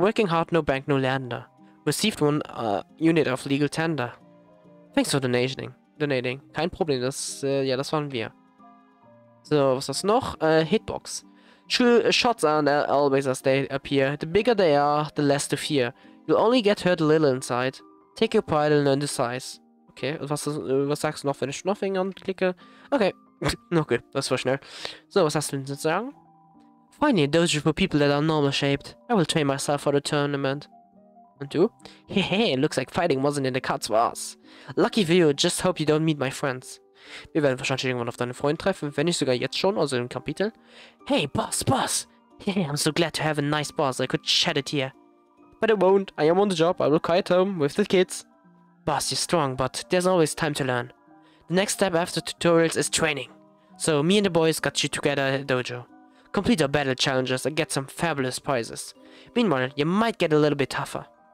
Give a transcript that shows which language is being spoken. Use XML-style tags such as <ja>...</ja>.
<en>Working hard, no bank, no lender. Received one unit of legal tender. Thanks for donating.</en> <de>Kein Problem, das waren wir. So, was ist das noch? Hitbox.</de> <en>Shots aren't always as they appear. The bigger they are, the less to fear. You'll only get hurt a little inside. Take your pride and learn the size.</en> <de>Okay, und was sagst du noch, wenn ich Nothing anklicke? Okay, okay, das war schnell. So, was hast du denn zu sagen?</de> <en>Finally, a dojo for people that are normal shaped. I will train myself for the tournament.</en> <de>Und du?</de> <en>Hehe, looks like fighting wasn't in the cards for us. Lucky for you, just hope you don't meet my friends.</en> <de>Wir werden wahrscheinlich irgendwann auf deine Freunde treffen, wenn nicht sogar jetzt schon, also im Kapitel.</de> <en>Hey, Boss! Hehe, I'm so glad to have a nice boss, I could shed a tear. But I won't. I am on the job. I will quiet home with the kids. Boss, you're strong, but there's always time to learn. The next step after tutorials is training. So, me and the boys got you together at dojo. Complete our battle challenges and get some fabulous prizes. Meanwhile, you might get a little bit tougher.</en>